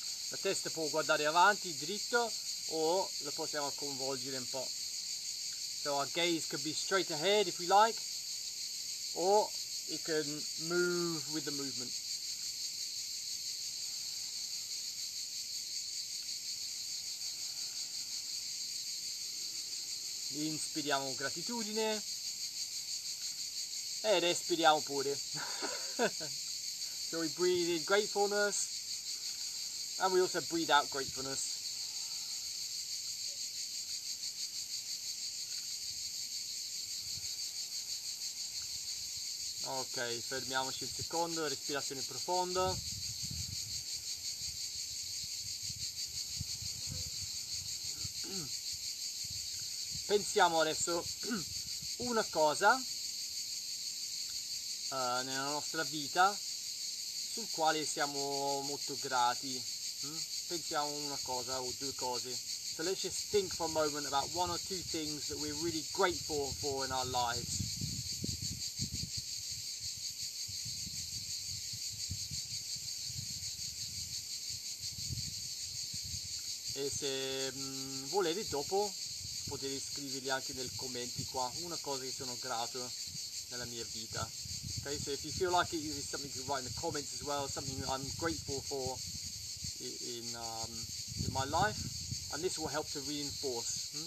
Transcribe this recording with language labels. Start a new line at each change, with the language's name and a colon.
Italian: La testa può guardare avanti, dritto, o la possiamo coinvolgere un po'.
English: So our gaze could be straight ahead if we like, or it can move with the movement.
Italian: Inspiriamo gratitudine ed espiriamo pure.
English: So we breathe in gratefulness and we also breathe out gratefulness.
Italian: Ok, fermiamoci un secondo, respirazione profonda. Pensiamo adesso una cosa nella nostra vita sul quale siamo molto grati. Pensiamo una cosa o due cose.
English: So let's just think for a moment about one or two things that we're really grateful for in our lives.
Italian: E se volete dopo potete scrivergli anche nei commenti qua una cosa che sono grato nella mia vita.
English: Ok, so if you feel like it, there's something you can write in the comments as well, something I'm grateful for in my life, and this will help to reinforce.